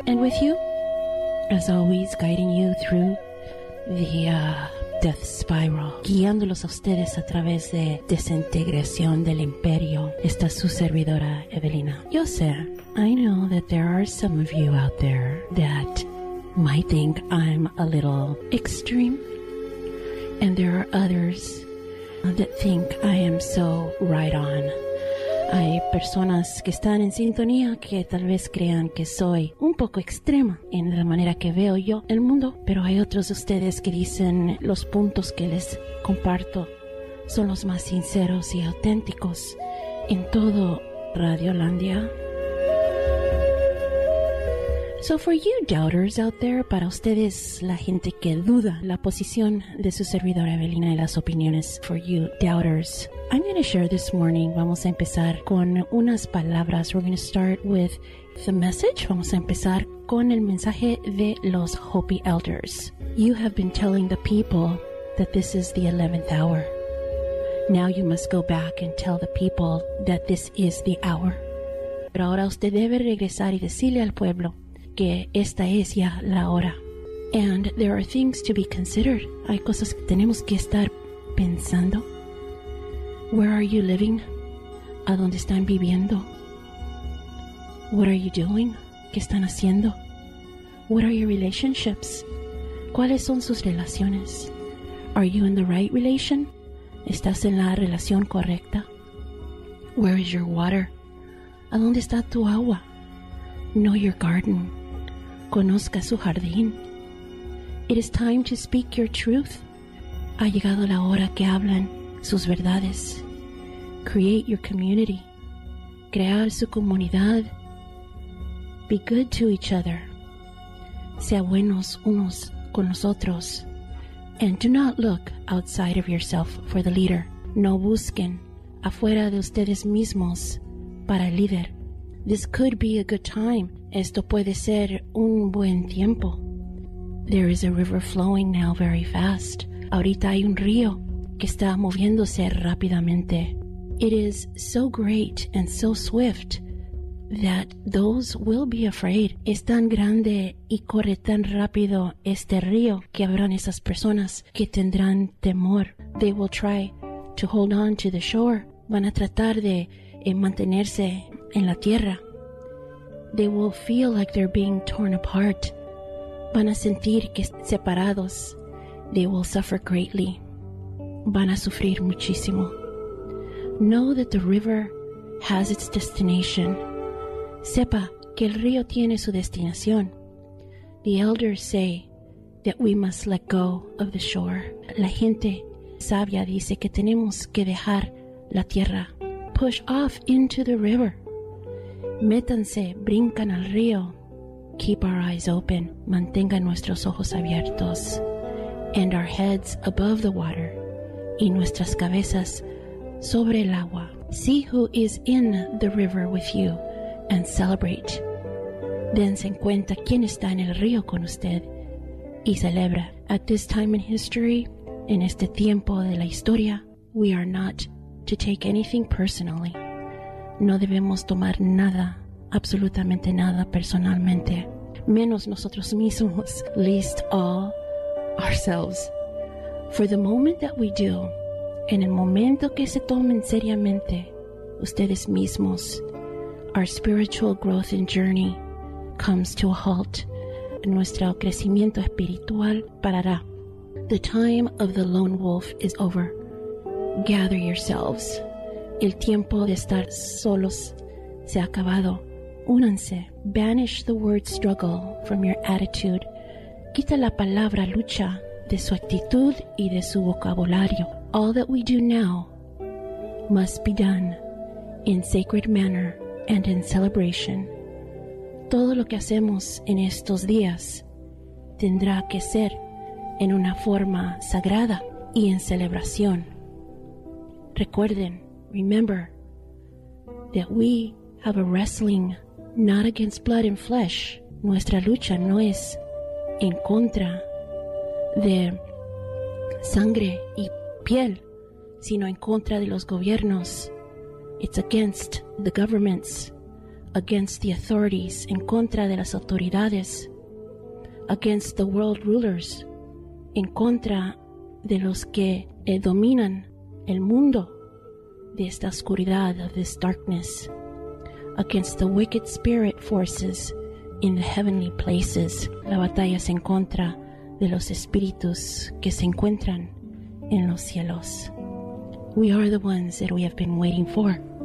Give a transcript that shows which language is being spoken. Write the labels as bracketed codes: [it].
[en] And with you, as always, guiding you through the death spiral. [es] Guiándolos a ustedes a través de desintegración del imperio. Está su servidora, Evelina. Yo sé, [en] I know that there are some of you out there that might think I'm a little extreme. And there are others that think I am so right on. [es] Hay personas que están en sintonía que tal vez crean que soy un poco extrema en la manera que veo yo el mundo, pero hay otros de ustedes que dicen los puntos que les comparto son los más sinceros y auténticos en todo Radiolandia. [en] So for you doubters out there, [es] para ustedes, la gente que duda la posición de su servidora Evelina y las opiniones, [en] for you doubters, I'm going to share this morning, [es] vamos a empezar con unas palabras, [en] we're going to start with the message, [es] vamos a empezar con el mensaje de los Hopi elders. [en] You have been telling the people that this is the 11th hour. Now you must go back and tell the people that this is the hour. [es] Pero ahora usted debe regresar y decirle al pueblo que esta es ya la hora. [en] And there are things to be considered. [es] Hay cosas que tenemos que estar pensando. [en] Where are you living? [es] ¿A dónde están viviendo? [en] What are you doing? [es] ¿Qué están haciendo? [en] What are your relationships? [es] ¿Cuáles son sus relaciones? [en] Are you in the right relation? [es] ¿Estás en la relación correcta? [en] Where is your water? [es] ¿A dónde está tu agua? [en] Know your garden. [es] Conozca su jardín. [en] It is time to speak your truth. [es] Ha llegado la hora que hablan sus verdades. [en] Create your community. [es] Crear su comunidad. [en] Be good to each other. [es] Sea buenos unos con los otros. [en] And do not look outside of yourself for the leader. [es] No busquen afuera de ustedes mismos para el líder. [en] This could be a good time. [es] Esto puede ser un buen tiempo. [en] There is a river flowing now very fast. [es] Ahorita hay un río que está moviéndose rápidamente. [en] It is so great and so swift that those will be afraid. [es] Es tan grande y corre tan rápido este río que habrán esas personas que tendrán temor. [en] They will try to hold on to the shore. [es] Van a tratar de mantenerse en la tierra. [en] They will feel like they're being torn apart. [es] Van a sentir que separados. [en] They will suffer greatly. [es] Van a sufrir muchísimo. [en] Know that the river has its destination. [es] Sepa que el río tiene su destinación. [en] The elders say that we must let go of the shore. [es] La gente sabia dice que tenemos que dejar la tierra. [en] Push off into the river. [es] Métanse, brincan al río. [en] Keep our eyes open. [es] Mantengan nuestros ojos abiertos. [en] And our heads above the water. [es] Y nuestras cabezas sobre el agua. [en] See who is in the river with you and celebrate. [es] Dense en cuenta quién está en el río con usted. Y celebra. [en] At this time in history, [es] en este tiempo de la historia, [en] we are not to take anything personally. [es] No debemos tomar nada, absolutamente nada, personalmente. Menos nosotros mismos, [en] least all ourselves. For the moment that we do, [es] en el momento que se tomen seriamente, ustedes mismos, [en] our spiritual growth and journey comes to a halt. [es] Nuestro crecimiento espiritual parará. [en] The time of the lone wolf is over. Gather yourselves. [es] El tiempo de estar solos se ha acabado. Únanse. [en] Banish the word struggle from your attitude. [es] Quita la palabra lucha de su actitud y de su vocabulario. [en] All that we do now must be done in sacred manner and in celebration. [es] Todo lo que hacemos en estos días tendrá que ser en una forma sagrada y en celebración. Recuerden, [en] remember, that we have a wrestling not against blood and flesh. [es] Nuestra lucha no es en contra de sangre y piel, sino en contra de los gobiernos. [en] It's against the governments, against the authorities, [es] en contra de las autoridades, [en] against the world rulers, [es] en contra de los que dominan el mundo de esta oscuridad, [en] of this darkness, against the wicked spirit forces in the heavenly places. [es] La batalla es en contra de los espíritus que se encuentran en los cielos. [en] We are the ones that we have been waiting for.